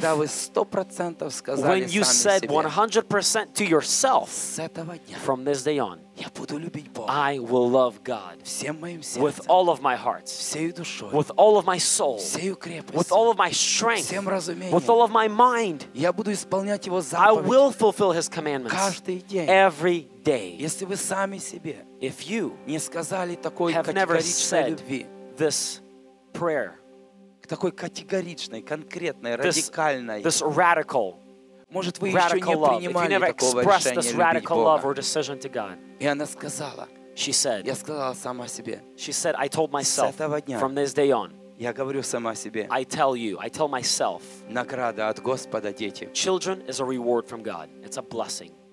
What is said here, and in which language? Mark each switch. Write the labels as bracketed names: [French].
[Russian] Когда вы 100% сказали сами себе. [English] When you said 100% to yourself. [Russian] С этого дня. [English] From this day on. I will love God with all of my heart, with all of my soul, with all of my strength, with all of my mind. I will fulfill His commandments every day. If you have never said this prayer, this radical, [Russian] может, вы еще не принимали такого решения любить Бога. [English] God, [Russian] и она сказала, [English] she said, [Russian] я сказала сама себе, [English] she said, I told myself, [Russian] с этого дня, [English] from this day on, [Russian] я говорю сама себе, [English] I tell you, I tell myself, [Russian] награда от Господа, дети. [English] Children is a reward from God. It's a blessing.